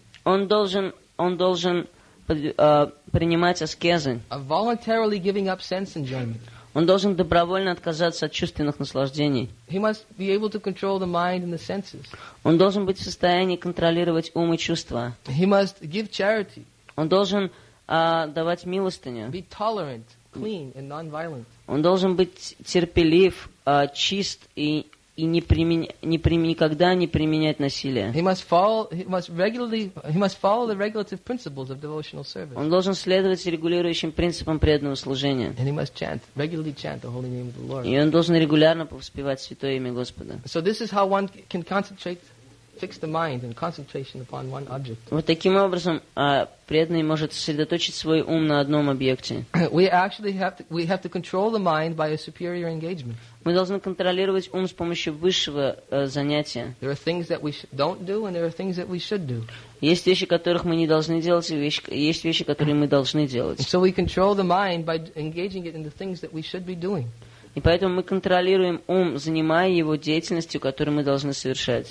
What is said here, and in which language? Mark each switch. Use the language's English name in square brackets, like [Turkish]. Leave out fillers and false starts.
[Russian] Он должен принимать аскезы. [English] Of voluntarily giving up sense enjoyment. [Russian] Он должен добровольно отказаться от чувственных наслаждений. [English] He must be able to control the mind and the senses. [Russian] Он должен быть в состоянии контролировать ум и чувства. [English] He must give charity. [Russian] Он должен давать милостыню. [English] Be tolerant, clean and non-violent. [Russian] Он должен быть терпелив, чист и никогда не применять насилие. [English] He must follow the regulative principles of devotional service. [Russian] Он должен следовать регулирующим принципам преданного служения. [English] And he must regularly chant the holy name of the Lord. [Russian] И он должен регулярно повспевать святое имя Господа. [English] So this is how one can concentrate, fix the mind and concentration upon one object. [Russian] Вот таким образом преданный может сосредоточить свой ум на одном объекте. [English] We have to control the mind by a superior engagement. [Russian] Мы должны контролировать ум с помощью высшего занятия. [English] There are things that we don't do and there are things that we should do. [Russian] Есть вещи, которых мы не должны делать, и есть вещи, которые мы должны делать. [English] So we control the mind by engaging it in the things that we should be doing. [Russian] И поэтому мы контролируем ум, занимая его деятельностью, которую мы должны совершать.